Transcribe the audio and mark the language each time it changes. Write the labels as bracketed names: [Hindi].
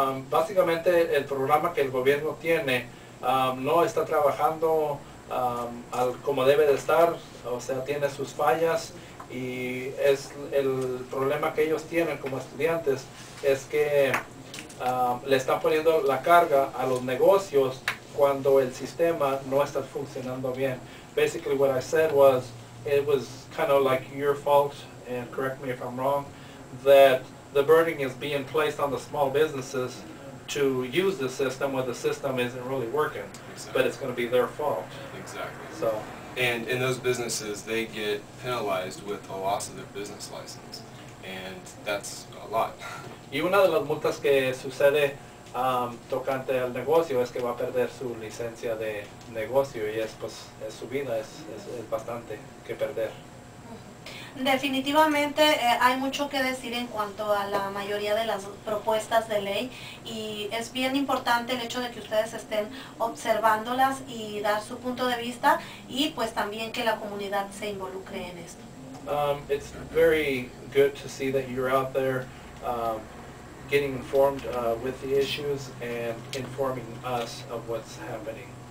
[Spanish] Básicamente, el programa que el gobierno tiene no está trabajando como debe de estar, o sea, tiene sus fallas, y es el problema que ellos tienen como estudiantes, es que le están poniendo la carga a los negocios cuando el sistema no está funcionando bien. [English] Basically, what I said was, it was kind of like your fault, and correct me if I'm wrong, that the burden is being placed on the small businesses to use the system when the system isn't really working. Exactly. But it's going to be their fault. Exactly. So, and in those businesses, they get penalized with the loss of their business license. And that's a lot. [Spanish] Y una de las multas que sucede tocante al negocio es que va a perder su licencia de negocio, y es, pues, es su vida, es bastante que perder. Definitivamente hay mucho que decir en cuanto a la mayoría de las propuestas de ley, y es bien importante el hecho de que ustedes estén observándolas y dar su punto de vista, y pues también que la comunidad se involucre en esto. [English] It's very good to see that you're out there getting informed with the issues and informing us of what's happening.